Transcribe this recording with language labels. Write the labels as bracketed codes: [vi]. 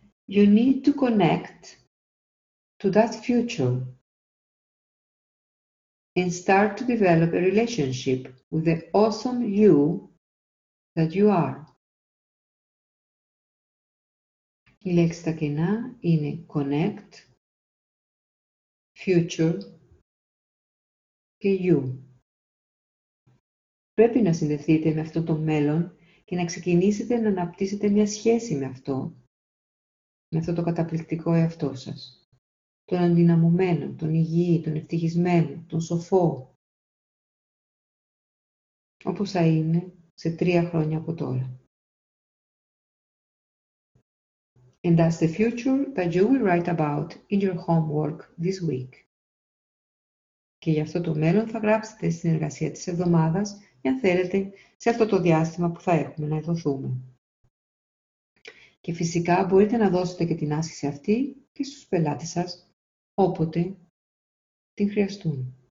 [en] You need to connect to that future and start to develop a relationship with the awesome you that you are. [el] Η λέξη τα κενά είναι connect, future και you. Πρέπει να συνδεθείτε με αυτό το μέλλον και να ξεκινήσετε να αναπτύσσετε μια σχέση με αυτό, με αυτό το καταπληκτικό εαυτό σας. Τον ενδυναμωμένο, τον υγιή, τον ευτυχισμένο, τον σοφό. Όπως θα είναι σε 3 χρόνια από τώρα. [en] And that's the future that you will write about in your homework this week. [el] Και για αυτό το μέλλον θα γράψετε στην εργασία της εβδομάδας, αν θέλετε, σε αυτό το διάστημα που θα έχουμε να ειδωθούμε. Και φυσικά μπορείτε να δώσετε και την άσκηση αυτή και στους πελάτες σας, όποτε την χρειαστούν.